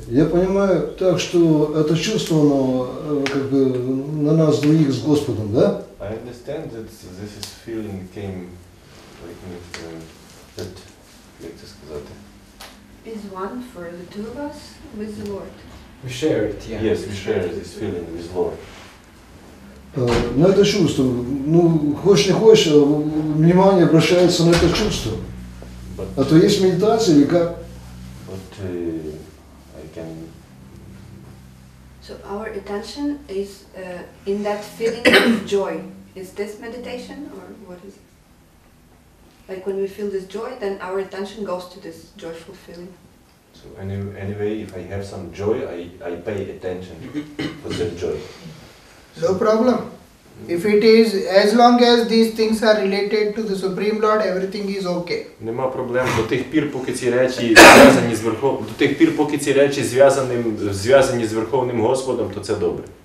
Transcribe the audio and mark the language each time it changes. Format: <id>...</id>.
<ru>Я понимаю так, что это чувство, оно как бы на нас двоих с Господом, да?</ru> <en>I understand that this is feeling came like with that, like to</en> <ru>сказать.</ru> <en>Is one for the two of us with the Lord. We share it, yeah. Yes, we share this feeling with Lord.</en> <ru>На это чувство, ну, хочешь не хочешь, внимание обращается на это чувство. А то есть медитация или как?</ru> <en>But I can... So our attention is in that feeling of joy. Is this meditation or what is it? Like when we feel this joy, then our attention goes to this joyful feeling. So anyway, if I have some joy, I pay attention for that joy. No problem. If it is, as long as these things are related to the Supreme Lord, everything is okay.</en> <uk>Нема проблем до тих пір, поки ці речі зв'язані з Верховним, до тих пір, поки ці речі зв'язані з Верховним Господом, то це добре.</uk>